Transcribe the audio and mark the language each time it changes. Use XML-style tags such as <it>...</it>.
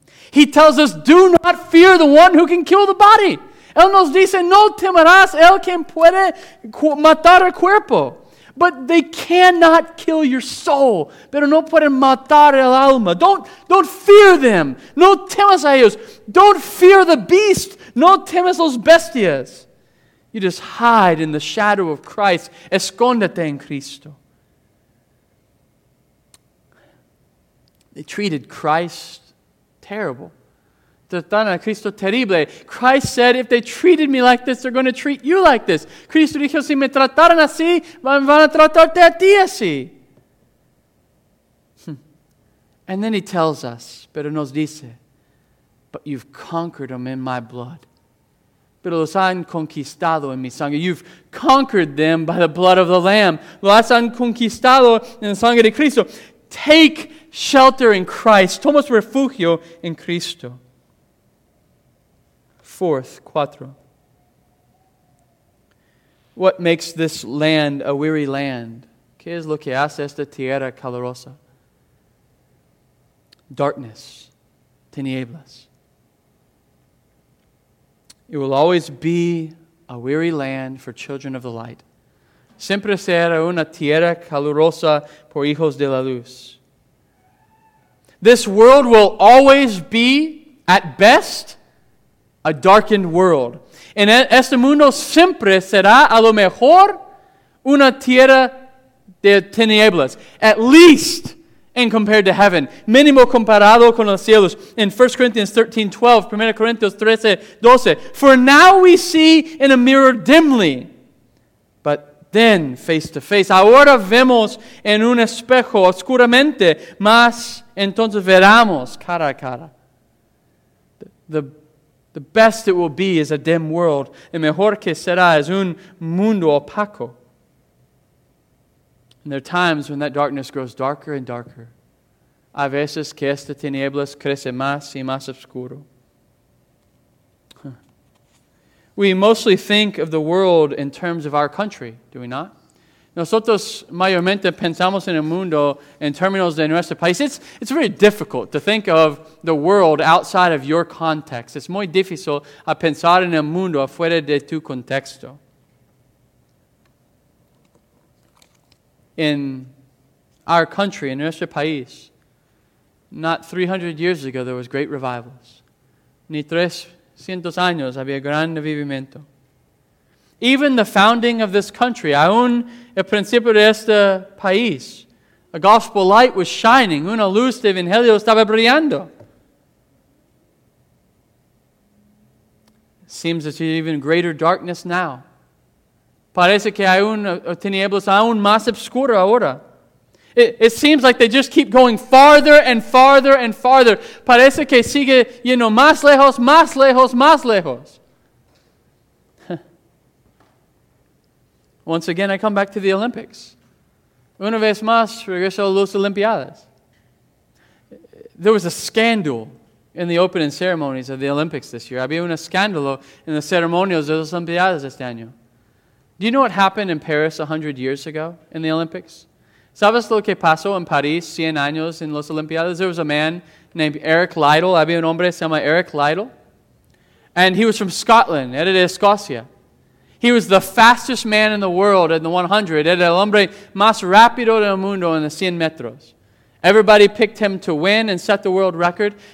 <en>He tells us, do not fear the one who can kill the body.</en> <es>Él nos dice, no temerás el quien puede matar el cuerpo.</es> <en>But they cannot kill your soul.</en> <es>Pero no pueden matar el alma.</es> <en>Don't fear them.</en> <es>No temas a ellos.</es> <en>Don't fear the beast.</en> <es>No temas los bestias.</es> <en>You just hide in the shadow of Christ.</en> <es>Escóndete en Cristo.</es> <en>They treated Christ terrible.</en> <es>Tratan a Cristo terrible.</es> <en>Christ said, if they treated me like this, they're going to treat you like this.</en> <es>Cristo dijo, si me trataran así, van a tratarte a ti así.</es> <en>And then he tells us,</en> <es>pero nos dice,</es> <en>but you've conquered them in my blood.</en> <es>Pero los han conquistado en mi sangre.</es> <en>You've conquered them by the blood of the Lamb.</en> <es>Los han conquistado en la sangre de Cristo.</es> <en>Take shelter in Christ.</en> <es>Tomas refugio en Cristo.</es> <en>Fourth,</en> <es>cuatro.</es> <en>What makes this land a weary land?</en> <es>¿Qué es lo que hace esta tierra calurosa?</es> <en>Darkness,</en> <es>tinieblas.</es> <en>It will always be a weary land for children of the light.</en> <es>Siempre será una tierra calurosa por hijos de la luz.</es> <en>This world will always be, at best, a darkened world.</en> <es>En este mundo siempre será a lo mejor una tierra de tinieblas.</es> <en>At least, and compared to heaven.</en> <es>Mínimo comparado con los cielos.</es> <en>In 1 Corinthians 13:12, 1 Corinthians 13, 12. For now we see in a mirror dimly, but then face to face.</en> <es>Ahora vemos en un espejo oscuramente, mas entonces veramos cara a cara.</es> <en>The best it will be is a dim world.</en> <es>El mejor que será es un mundo opaco.</es> <en>And there are times when that darkness grows darker and darker.</en> <es>A veces que esta tinieblas crece más y más oscuro.</es> <en>We mostly think of the world in terms of our country, do we not?</en> <es>Nosotros mayormente pensamos en el mundo en términos de nuestro país.</es> <en>It's very difficult to think of the world outside of your context. It's</en> <es>muy difícil a pensar en el mundo afuera de tu contexto.</es> <en>In our country,</en> <es>in nuestro país,</es> <en>not 300 years ago there was great revivals.</en> <es>Ni 300 años había gran avivamiento.</es> <en>Even the founding of this country,</en> <es>aún el principio de este país,</es> <en>a gospel light was shining,</en> <es>una luz de evangelio estaba brillando.</es> <en>Seems there's even greater darkness now.</en> <es>Parece que hay un tinieblas aún más oscuro ahora.</es> <en>It seems like they just keep going farther and farther and farther.</en> <es>Parece que sigue yendo más lejos, más lejos, más lejos.</es> <en>Once again, I come back to the Olympics.</en> <es>Una vez más, regreso a los Olimpiadas.</es> <en>There was a scandal in the opening ceremonies of the Olympics this year.</en> <es>Había un escándalo en las ceremonias de los Olimpiadas este año.</es> <en>Do you know what happened in Paris 100 years ago in the Olympics?</en> <es>¿Sabes lo que pasó en París 100 años en los Olimpiadas?</es> <en>There was a man named Eric Liddell.</en> <es>Había un hombre que se llama Eric Liddell.</es> <en>And he was from Scotland,</en> <es>era de Escocia.</es> <en>He was the fastest man in the world in the 100.</en> <es>Era el hombre más rápido del mundo en los 100 metros.</es> <en>Everybody picked him to win and set the world record.</en>